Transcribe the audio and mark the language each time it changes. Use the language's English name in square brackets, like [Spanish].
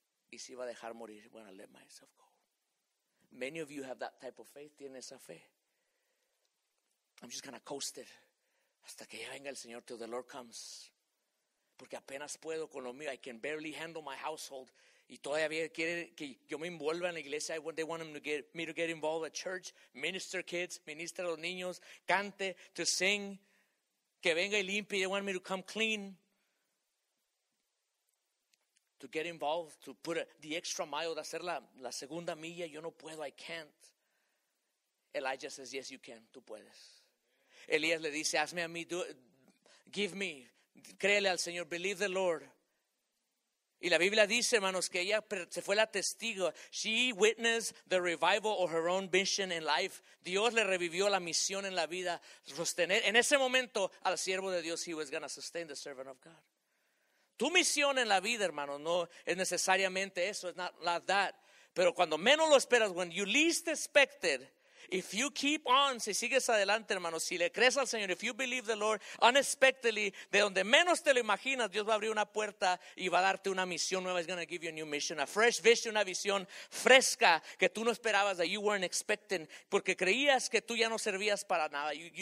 [Spanish] Y se iba a dejar morir, [English] I'm going to let myself go. Many of you have that type of faith, [Spanish] tienen esa fe. [English] I'm just going to coast it. [Spanish] Hasta que ya venga el Señor, [English] till the Lord comes. [Spanish] Porque apenas puedo con lo mío. [English] I can barely handle my household. [Spanish] Y todavía quiere que yo me envuelva en la iglesia. [English] They want me to get involved at church. Minister kids. [Spanish] Ministra a los niños. Cante. [English] To sing. [Spanish] Que venga y limpie. [English] They want me to come clean. To get involved. To put the extra mile. [Spanish] De hacer la segunda milla. Yo no puedo. [English] I can't. Elijah says, yes, you can. [Spanish] Tú puedes. Elías le dice, hazme a mí. [English] give me, [Spanish] créele al Señor, [English] believe the Lord. [Spanish] Y la Biblia dice, hermanos, que ella se fue la testigo. [English] She witnessed the revival of her own mission in life. [Spanish] Dios le revivió la misión en la vida. Sostener en ese momento al siervo de Dios, [English] he was going to sustain the servant of God. [Spanish] Tu misión en la vida, hermano, no es necesariamente eso. [English] It's not like that. [Spanish] Pero cuando menos lo esperas, [English] when you least expect it, if you keep on, [Spanish] si sigues adelante, hermano, si le crees al Señor, [English] if you believe the Lord, unexpectedly, [Spanish] de donde menos te lo imaginas, Dios va a abrir una puerta y va a darte una misión nueva. [English] He's going to give you a new mission, a fresh vision, [Spanish] una visión fresca que tú no esperabas, [English] that you weren't expecting, [Spanish] porque creías que tú ya no servías para nada.